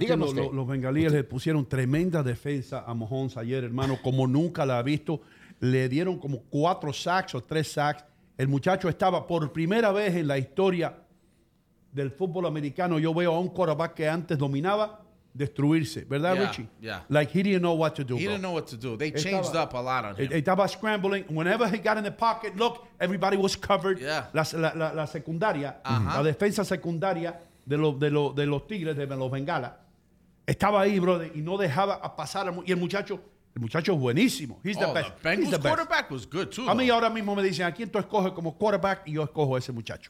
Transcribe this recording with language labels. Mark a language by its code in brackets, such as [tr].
[es] Dígame que los bengalíes le pusieron tremenda defensa a Mahomes ayer, hermano, como nunca la ha visto. Le dieron como 4 sacks o 3 sacks. El muchacho estaba por primera vez en la historia del fútbol americano. Yo veo a un quarterback que antes dominaba destruirse, ¿verdad, yeah, Richie? Yeah. [en] Like he didn't know what to do. They changed up a lot on him. [es] Estaba scrambling. [en] Whenever he got in the pocket, look, everybody was covered. Yeah. [es] La secundaria, la defensa secundaria de los Tigres, de los Bengala, estaba ahí, brother, y no dejaba a pasar. Y el muchacho es buenísimo. [en] He's the best. The Bengals quarterback was good too. [es] A mí ahora mismo me dicen, ¿a quién tú escoges como quarterback? Y yo escojo a ese muchacho.